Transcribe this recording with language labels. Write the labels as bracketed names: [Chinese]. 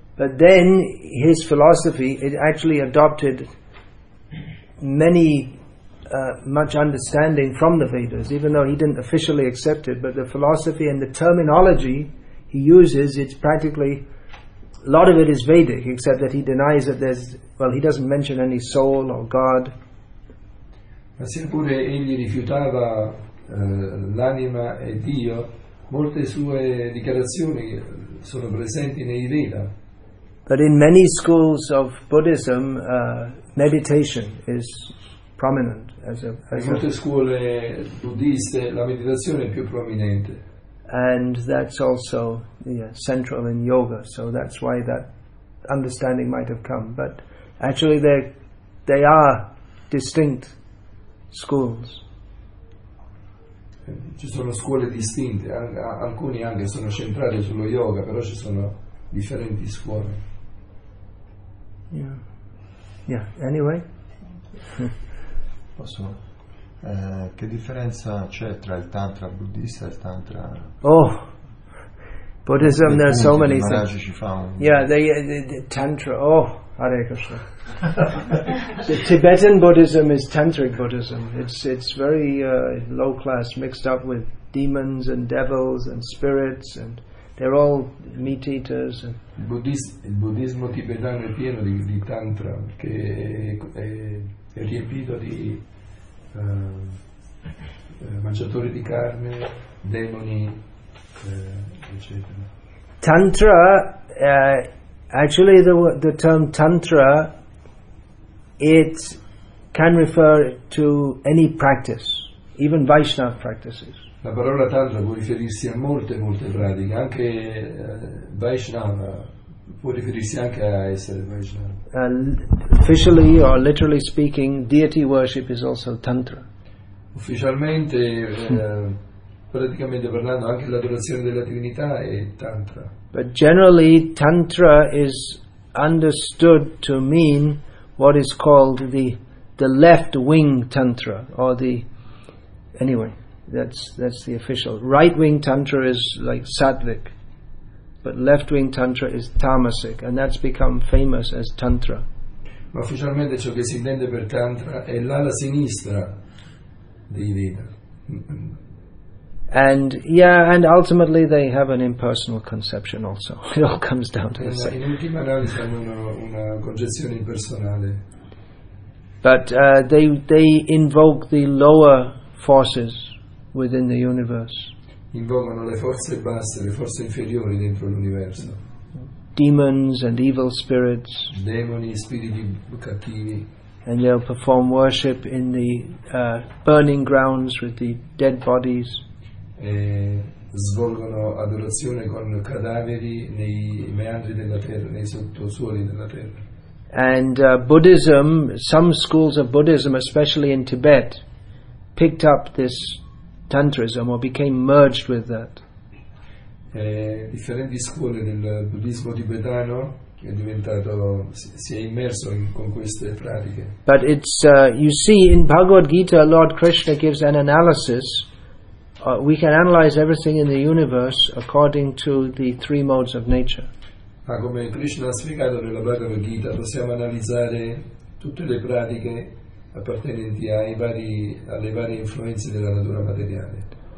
[English] But then his philosophy, it actually adopted many much understanding from the Vedas, even though he didn't officially accept it, but the philosophy and the terminology he uses, it's practically a lot of it is Vedic, except that he denies that there's, well, he doesn't mention any soul or God. [Italian] Ma seppure egli rifiutava l'anima e Dio, molte sue dichiarazioni sono presenti nei Veda. [English] But in many schools of Buddhism, meditation is prominent [Italian] in molte scuole buddhiste la meditazione è più prominente. [English] And that's also central in yoga, so that's why that understanding might have come. But actually, they are distinct schools. [Italian] Ci sono scuole distinte. Alcuni anche sono centrati sullo yoga, però ci sono differenti scuole. [English] Yeah. Anyway. [Italian] Possiamo. Che differenza c'è tra il tantra buddista e il tantra? [English] Oh, Buddhism, there are so many things. Tantra. Oh, Hare Krishna. The Tibetan Buddhism is tantric Buddhism. It's very low class, mixed up with demons and devils and spirits, and they're all meat eaters. And [Italian] il buddismo tibetano è pieno di tantra, che è riempito di mangiatori di carne, demoni, eccetera. [English] Tantra, actually the term tantra, it can refer to any practice, even Vaishnava practices. [Italian] La parola tantra può riferirsi a molte pratiche, anche Vaishnava può riferirsi anche a essere Vaishnava. [English] Officially or literally speaking, deity worship is also tantra. [Italian] Ufficialmente, praticamente parlando, anche l'adorazione della divinità è tantra. [English] But generally, tantra is understood to mean what is called the left wing tantra, or the anyway, that's the official. Right wing tantra is like sattvic, but left wing tantra is tamasic, and that's become famous as tantra. [Italian] Ma ufficialmente ciò che si intende per tantra è l'ala sinistra di Veda. [English] And yeah, and ultimately they have an impersonal conception also. It all comes down to the same. [Italian] In ultima analisi hanno una concezione impersonale. [English] But they invoke the lower forces within the universe. [Italian] Invocano le forze basse, le forze inferiori dentro l'universo. [English] Demons and evil spirits. [Italian] Demoni, spiriti cattivi. [English] And they'll perform worship in the burning grounds with the dead bodies. [Italian] E svolgono adorazione con cadaveri nei meandri della terra, nei sottosuoli della terra. [English] And Buddhism, some schools of Buddhism, especially in Tibet, picked up this tantrism or became merged with that. [Italian] Differenti scuole del buddismo tibetano è diventato, si è immerso con queste pratiche. [English] But it's you see, in Bhagavad Gita, Lord Krishna gives an analysis. We can analyze everything in the universe according to the three modes of nature. [Italian] Ma come Krishna ha spiegato nella Bhagavad Gita, possiamo analizzare tutte le pratiche appartenenti alle varie influenze della natura materiale.